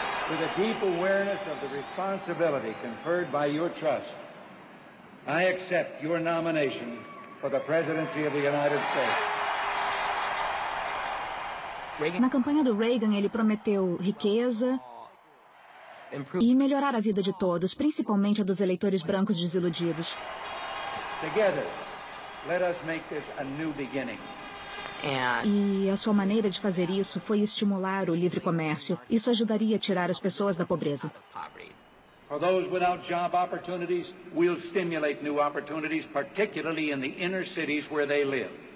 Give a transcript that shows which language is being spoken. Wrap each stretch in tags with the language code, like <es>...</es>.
<en>With a deep awareness of the responsibility conferred by your trust, I accept your nomination for the presidency of the United States.</en> <pt>Na campanha do Reagan, ele prometeu riqueza e melhorar a vida de todos, principalmente a dos eleitores brancos desiludidos.</pt> <en>Together, let us make this a new beginning.</en> <pt>E a sua maneira de fazer isso foi estimular o livre comércio. Isso ajudaria a tirar as pessoas da pobreza.</pt> <en>For those without job opportunities, we'll stimulate new opportunities, particularly in the inner cities where they live.</en>